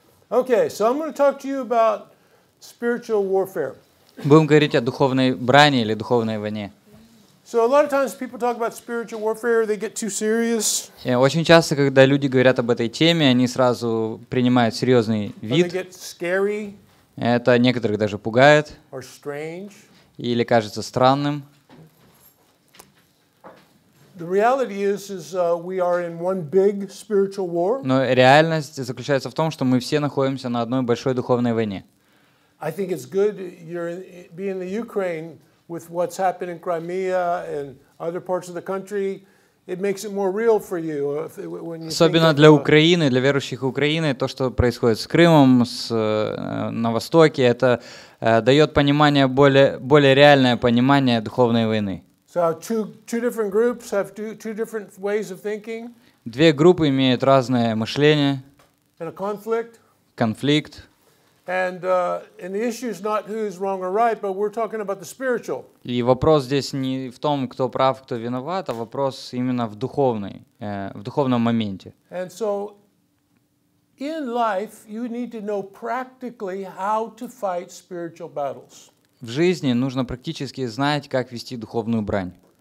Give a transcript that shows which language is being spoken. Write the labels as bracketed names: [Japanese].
[English] Okay, so I'm going to talk to you about spiritual warfare. [Russian] Будем говорить о духовной брани или духовной войне. [English] So a lot of times people talk about spiritual warfare, they get too serious. [Russian] Очень часто, когда люди говорят об этой теме, они сразу принимают серьезный вид. [English] They get scary. [Russian] Это некоторых даже пугает. [English] Or strange. [Russian] Или кажется странным. [English] The reality is we are in one big spiritual war. [Russian] Но реальность заключается в том, что мы все находимся на одной большой духовной войне. [English] I think it's good you're being in the Ukraine with what's happened in Crimea and other parts of the country. It makes it more real for you when you. [Russian] Особенно для Украины, для верующих Украины, то, что происходит с Крымом, на востоке, это дает понимание более реальное понимание духовной войны. [English] So two different groups have two different ways of thinking. [Russian] Две группы имеют разное мышление. [English] And a conflict. [Russian] Конфликт. [English] And the issue is not who's wrong or right, but we're talking about the spiritual. [Russian] И вопрос здесь не в том, кто прав, кто виноват, а вопрос именно в духовном моменте. [English] And so in life you need to know practically how to fight spiritual battles. [Russian] В жизни нужно практически знать, как вести духовную брань.